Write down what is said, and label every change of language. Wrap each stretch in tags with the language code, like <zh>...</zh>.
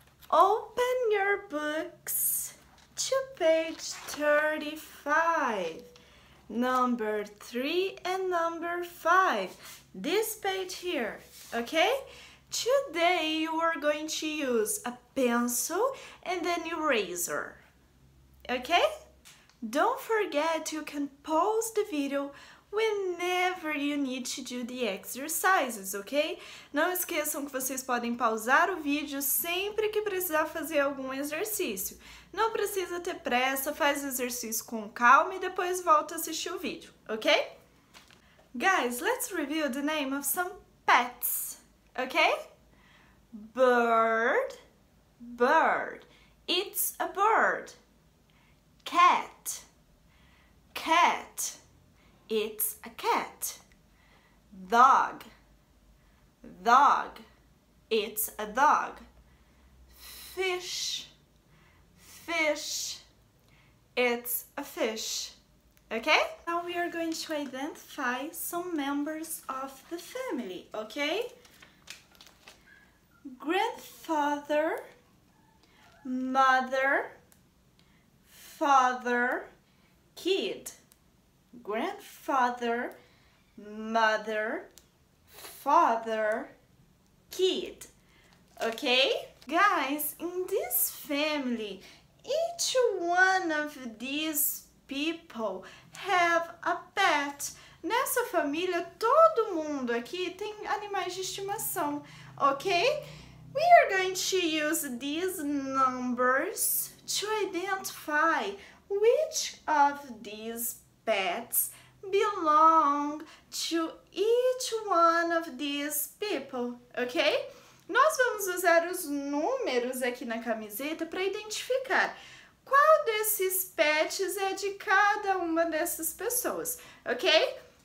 <en>Open your books to page 35, number 3 and number 5, this page here, okay? Today you are going to use a pencil and an eraser, okay? Don't forget, you can pause the video whenever you need to do the exercises, ok?</en> <pt>Não esqueçam que vocês podem pausar o vídeo sempre que precisar fazer algum exercício. Não precisa ter pressa, faz o exercício com calma e depois volta a assistir o vídeo, ok?</pt> <en>Guys, let's review the name of some pets, ok? Bird, bird. It's a bird. Cat, cat. It's a cat. Dog, dog. It's a dog. Fish, fish. It's a fish. Okay? Now we are going to identify some members of the family, okay? Grandfather, mother, father, kid. Grandfather, mother, father, kid. Okay? Guys, in this family, each one of these people have a pet.</en> <pt>Nessa família, todo mundo aqui tem animais de estimação.</pt> <en>Okay? We are going to use these numbers to identify which of these pets belong to each one of these people, ok?</en> <pt>Nós vamos usar os números aqui na camiseta para identificar qual desses pets é de cada uma dessas pessoas, ok?</pt>